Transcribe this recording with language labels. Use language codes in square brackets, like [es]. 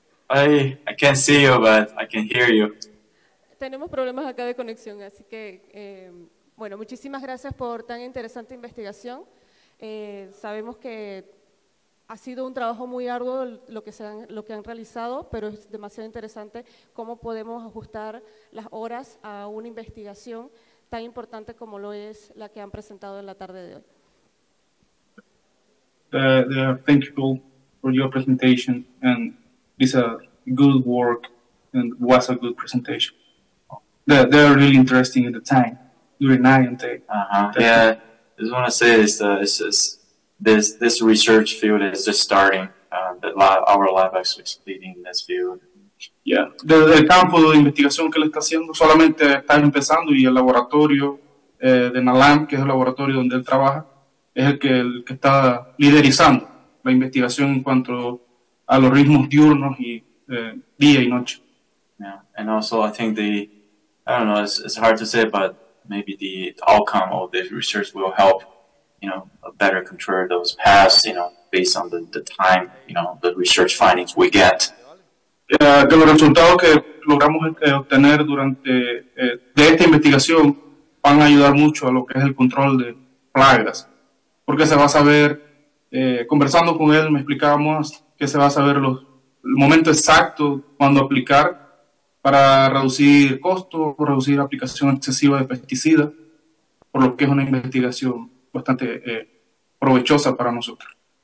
[en] I can't see you, but I can hear you. [es] Tenemos problemas acá de conexión, así que bueno, muchísimas gracias por tan interesante investigación. Sabemos que ha sido un trabajo muy arduo lo que han realizado, pero es demasiado interesante cómo podemos ajustar las horas a una investigación tan importante como lo es la que han presentado en la tarde de hoy. [en] Thank you all for your presentation, and it's a good work and was a good presentation. They're really interesting in the time during night and day. I just want to say this research field is just starting. Our lab is leading this field. Yeah, the [es] campo de investigación que él está haciendo solamente está empezando, y el laboratorio de NALAM, que es el laboratorio donde él trabaja, es el que está liderizando la investigación en cuanto a los ritmos diurnos y día y noche. [en] Yeah, and also I think it's hard to say, but maybe the outcome of this research will help, you know, better control those paths, you know, based on the time, you know, the research findings we get. [es] Que los resultados que logramos obtener durante de esta investigación van a ayudar mucho a lo que es el control de plagas, porque se va a saber, conversando con él, me explicábamos que se va a saber el momento exacto cuando aplicar, para reducir costos, reducir aplicación excesiva de pesticidas, por lo que es una investigación bastante provechosa para nosotros.